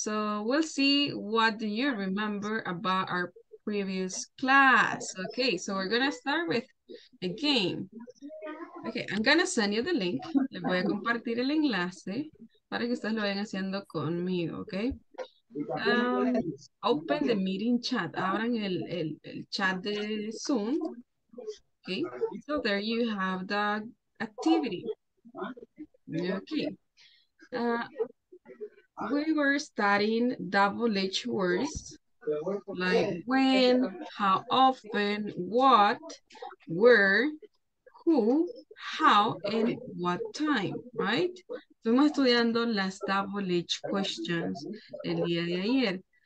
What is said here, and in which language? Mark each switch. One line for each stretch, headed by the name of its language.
English: So we'll see what do you remember about our previous class. Okay, so we're gonna start with a game. Okay, I'm gonna send you the link.
Spanish: Les voy a compartir el enlace para que ustedes lo vayan haciendo conmigo, okay?
English: Open the meeting chat.
Spanish: Abran el chat de Zoom.
English: Okay, so there you have the activity. Okay. We were studying WH words. Like when, how often, what, where, who, how, and what time, right?
Spanish: Fuimos estudiando las WH questions el día de ayer.